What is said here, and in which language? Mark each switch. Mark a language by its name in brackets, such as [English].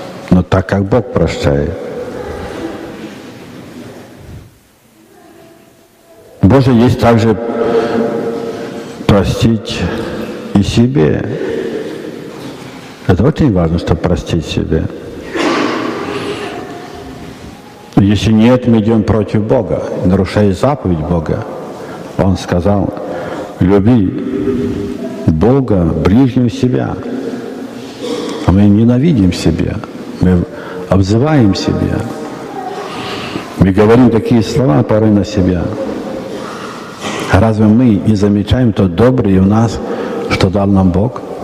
[Russian] Но так, как Бог прощает. Боже, есть также простить и себе. Это очень важно, чтобы простить себе. [Polish] Jeśli nie, to my idziemy przeciw Boga, naruszając zapowiedź Boga. [Russian] On сказал, люби Бога, ближнего себя. А мы ненавидим себя, мы обзываем себя. Мы говорим такие слова порой на себя. А разве мы не замечаем то доброе в нас, что дал нам Бог?